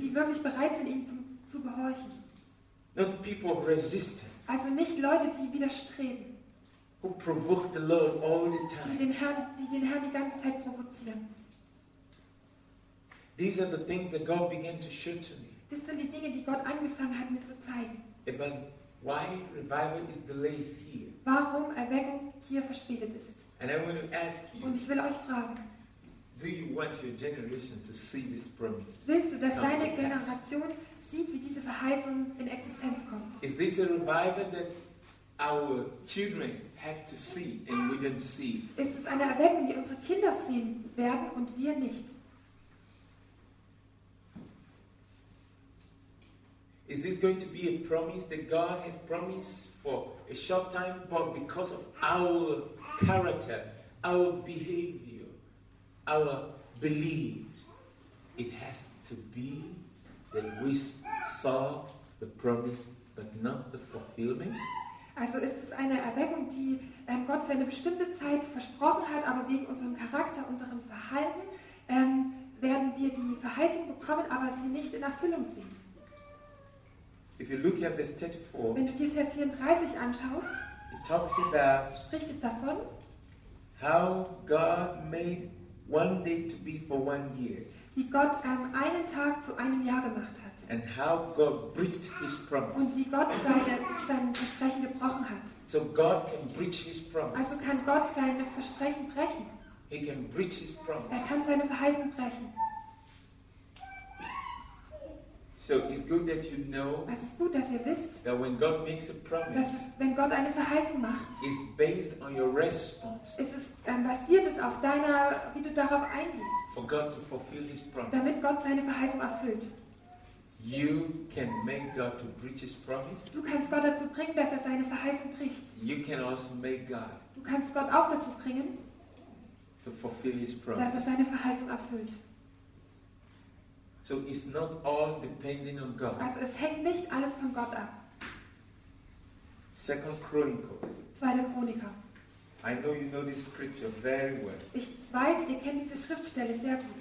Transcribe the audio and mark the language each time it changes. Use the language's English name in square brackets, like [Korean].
[German] Die wirklich bereit sind, ihm zu gehorchen. [English] Not people of resistance. [German] Also nicht Leute, die widerstreben. [English] Who provoke the Lord all the time. [German] Die den Herrn die ganze Zeit provozieren. [English] These are the things that God began to show to me. [German] Das sind die Dinge, die Gott angefangen hat, mir zu zeigen. [English] About why revival is delayed here. [German] Warum Erweckung hier verspätet ist. [English] And I want to ask you. [German] Und ich will euch fragen. [English] Do you want your generation to see this promise? [German] Willst du, dass deine Generation sieht, wie diese Verheißung in Existenz kommt? [English] Is this a revival that our children have to see and we don't see? [German] Ist es eine Erweckung, die unsere Kinder sehen werden und wir nicht? [English] Is this going to be a promise that God has promised for a short time, but because of our character, our behavior, our beliefs, it has to be that we saw the promise, but not the fulfillment? [German] Also ist es eine Erweckung, die Gott für eine bestimmte Zeit versprochen hat, aber wegen unserem Charakter, unserem Verhalten, werden wir die Verheißung bekommen, aber sie nicht in Erfüllung sehen. [English] If you look at verse 34, [German] wenn du dir Vers 34 anschaust, [English] it talks about, [German] spricht es davon, [English] how God made one day to be for one year. [German] Wie Gott einen Tag zu einem Jahr gemacht hat. [English] And how God breached his promise. [German] Und wie Gott sein Versprechen gebrochen hat. [English] So God can breach his promise. [German] Also kann Gott sein Versprechen brechen. [English] He can breach his promise. [German] Er kann seine Verheißung brechen. [English] So it's good that you know. [German] Es ist gut, dass ihr wisst, [English] that when God makes a promise, [German] dass es, wenn Gott eine Verheißung macht, [English] is based on your response. [German] Es ist basiert es auf deiner, wie du darauf eingehst. [English] For God to fulfill His promise. [German] Damit Gott seine Verheißung erfüllt. [English] You can make God to breach His promise. [German] Du kannst Gott dazu bringen, dass er seine Verheißung bricht. [English] You can also make God. [German] Du kannst Gott auch dazu bringen, [English] to fulfill His promise. [German] Dass er seine Verheißung erfüllt. [English] So it's not all depending on God. [German] Also es hängt nicht alles von Gott ab. [English] Second Chronicles. [German] Zweite Chroniker. [English] I know you know this scripture very well. [German] Ich weiß, ihr kennt diese Schriftstelle sehr gut.